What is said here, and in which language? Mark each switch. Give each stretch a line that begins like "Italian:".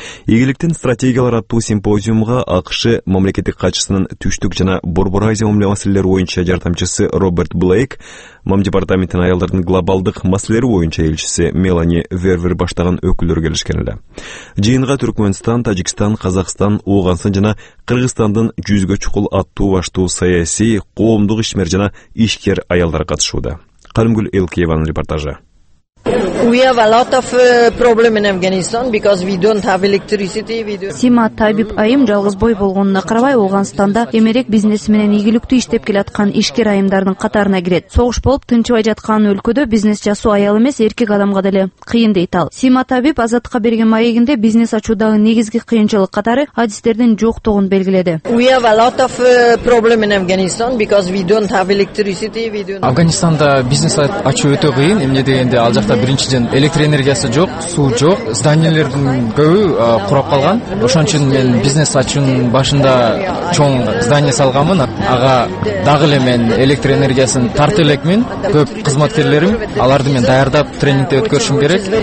Kyrgyz: Ийгиликтин стратегиялары аттуу симпозиумга АКШ мамлекеттик катчысынын түштүк жана Борбор Азия маселелери боюнча жардамчысы Роберт Блейк, Мам департаментинин аялдардын глобалдык маселелери боюнча элчиси Мелани Вервер баштаган өкүлдөр келишкен эле. Жыйынга Түркмөнстан, Тажикстан, Казакстан, Ооганстан жана Кыргызстандын жүзгө чукул аттуу баштуу саясий, коомдук ишмер жана ишкер аялдар катышууда. Калымгүл Элкиеванын репортажы.
English: We have a lot of problem in Afghanistan because we don't have electricity.
Kyrgyz: Сима Табиб айым жалгыз бой болгонуна карабай, Ооганстанда эмерек бизнеси менен ийгиликтүү иштеп келаткан ишкер айымдардын катарына кирет. Согуш болуп тынчыбай жаткан өлкөдө бизнес жасуу аял эмес, эркек адамга деле кыйын, дейт ал. Сима Табиб азаттыкка берген маегинде бизнес ачуудагы негизги кыйынчылык катары адистердин жоктугун белгиледи.
English: We have a lot of problem in Afghanistan because we don't have electricity.
Kyrgyz: Афганистанда бизнес ачуу өтө кыйын. Эмне дегенде ал жакта биринчиден электр энергиясы жок, суу жок, зданиялардын көбү курап калган. Ошон үчүн мен бизнес ачуунун башында чоң здание салганмын. Ага дагы эле мен электр энергиясын тартып элекмин. Көп кызматкерлерим, аларды мен даярдап тренингде өткөрүшүм керек.